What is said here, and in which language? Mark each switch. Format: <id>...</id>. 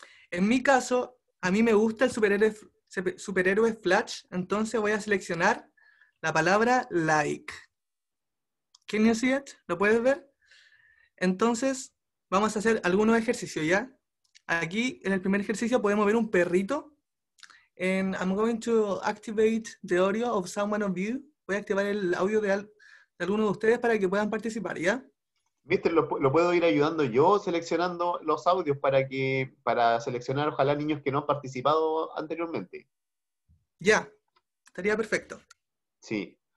<es>En mi caso, a mí me gusta el superhéroe Flash, entonces voy a seleccionar la palabra like.</es> <en>Can you see it?</en> <es>¿Lo puedes ver? Entonces, vamos a hacer algunos ejercicios, ¿ya? Aquí, en el primer ejercicio, podemos ver un perrito.</es> <en>And I'm going to activate the audio of someone of you.</en> <es>Voy a activar el audio de alguno de ustedes para que puedan participar, ¿ya? Mister, ¿lo puedo ir ayudando yo seleccionando los audios para seleccionar, ojalá, niños que no han participado anteriormente? Ya, estaría perfecto. Sí.</es>